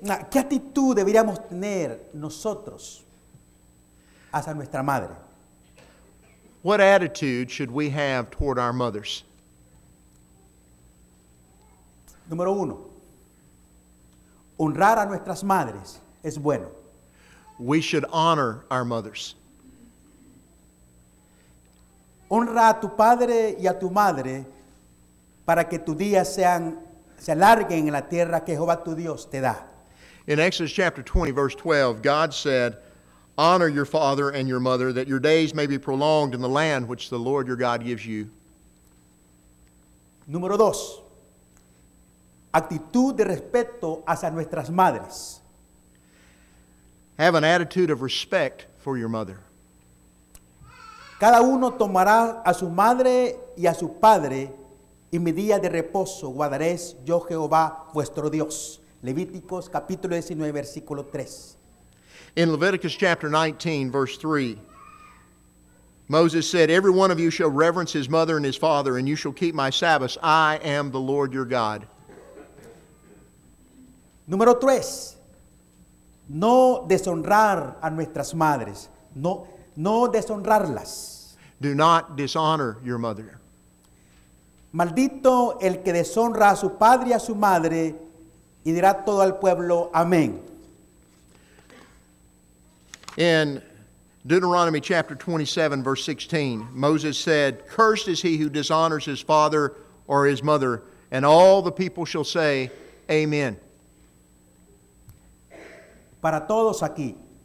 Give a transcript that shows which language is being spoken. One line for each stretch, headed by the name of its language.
Spanish: ¿Qué actitud deberíamos tener nosotros hacia nuestra madre?
English: What attitude should we have toward our mothers?
Spanish: Número uno. Honrar a nuestras madres es bueno.
English: We should honor our mothers.
Spanish: Honra a tu padre y a tu madre para que tus días sean se alarguen en la tierra que Jehová tu Dios te da.
English: In Exodus chapter 20, verse 12, God said, honor your father and your mother that your days may be prolonged in the land which the Lord your God gives you.
Spanish: Número dos. Actitud de respeto hacia nuestras madres.
English: Have an attitude of respect for your mother.
Spanish: Cada uno tomará a su madre y a su padre y mi día de reposo guardaréis yo Jehová vuestro Dios. Levíticos capítulo 19 versículo 3.
English: In Leviticus chapter 19 verse 3. Moses said, every one of you shall reverence his mother and his father and you shall keep my Sabbaths. I am the Lord your God.
Spanish: Número 3. No deshonrar a nuestras madres. No deshonrarlas.
English: Do not dishonor your mother.
Spanish: Maldito el que deshonra a su padre y a su madre, y dirá todo al pueblo, amén.
English: In Deuteronomy chapter 27, verse 16, Moses said, cursed is he who dishonors his father or his mother, and all the people shall say, amen.
Spanish: Para todos aquí.